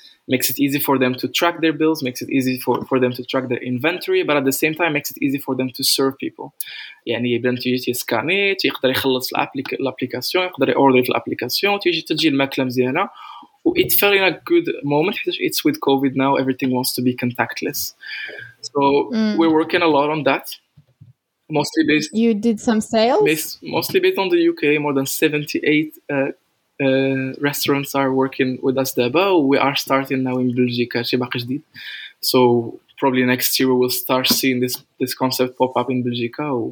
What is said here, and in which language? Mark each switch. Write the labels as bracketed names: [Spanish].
[English] Makes it easy for them to track their bills, makes it easy for them to track their inventory, but at the same time makes it easy for them to serve people. [Arabic] يعني يبدأ تيجي يسكن يقدر يخلص الابليكاسيون يقدر يأوردر الابليكاسيون تيجي تجي الماكلة مزيانة. [English] It's felt in a good moment. It's with COVID now, everything wants to be contactless. So we're working a lot on that. Mostly based. You did some sales? Mostly based on the UK. More than 78 restaurants are working with us there. But we are starting now in Belgica. So probably next year we will start seeing this concept pop up in Belgica.